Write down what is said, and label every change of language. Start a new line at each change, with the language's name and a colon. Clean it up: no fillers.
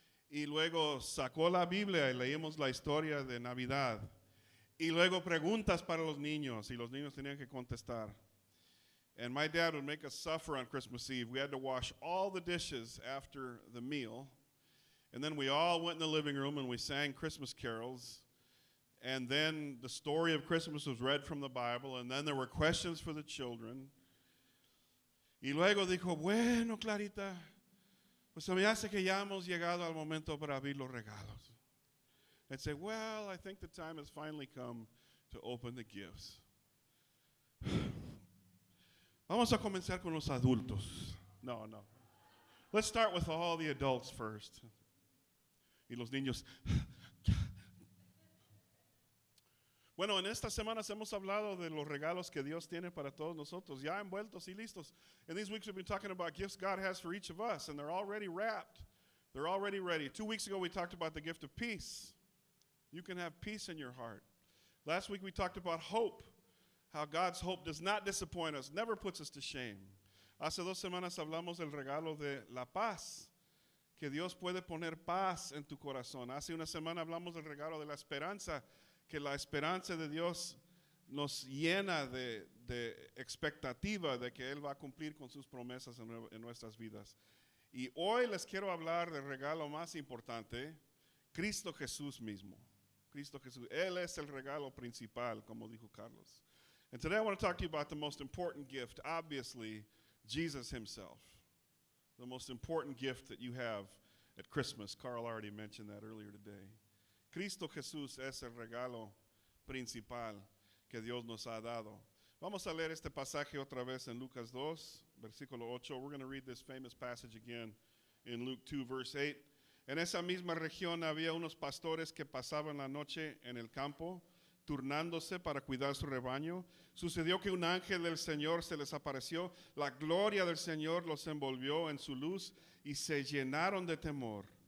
Spanish: Y luego sacó la Biblia y leímos la historia de Navidad. Y luego preguntas para los niños y los niños tenían que contestar.
English: And my dad would make us suffer on Christmas Eve. We had to wash all the dishes after the meal. And then we all went in the living room and we sang Christmas carols. And then the story of Christmas was read from the Bible. And then there were questions for the children.
Spanish: Y luego dijo, bueno, Clarita, pues se me hace que ya hemos llegado al momento para abrir los regalos.
English: I'd say, well, I think the time has finally come to open the gifts.
Spanish: Vamos a comenzar con los adultos. No.
English: Let's start with all the adults first.
Spanish: Y los niños. Bueno, en estas semanas hemos hablado de los regalos que Dios tiene para todos nosotros. Ya envueltos y listos.
English: In these weeks we've been talking about gifts God has for each of us. And they're already wrapped. They're already ready. 2 weeks ago we talked about the gift of peace. You can have peace in your heart. Last week we talked about hope. How God's hope does not disappoint us, never puts us to shame.
Spanish: Hace dos semanas hablamos del regalo de la paz, que Dios puede poner paz en tu corazón. Hace una semana hablamos del regalo de la esperanza, que la esperanza de Dios nos llena de expectativa de que Él va a cumplir con sus promesas en nuestras vidas. Y hoy les quiero hablar del regalo más importante, Cristo Jesús mismo. Cristo Jesús, Él es el regalo principal, como dijo Carlos.
English: And today I want to talk to you about the most important gift, obviously, Jesus himself. The most important gift that you have at Christmas. Carl already mentioned that earlier today.
Spanish: Cristo Jesús es el regalo principal que Dios nos ha dado. Vamos a leer este pasaje otra vez en Lucas 2, versículo 8.
English: We're going to read this famous passage again in Luke 2, verse 8.
Spanish: En esa misma región había unos pastores que pasaban la noche en el campo, turnándose para cuidar su rebaño. Sucedió que un ángel del Señor se les apareció. La gloria del Señor los envolvió en su luz y se llenaron de temor.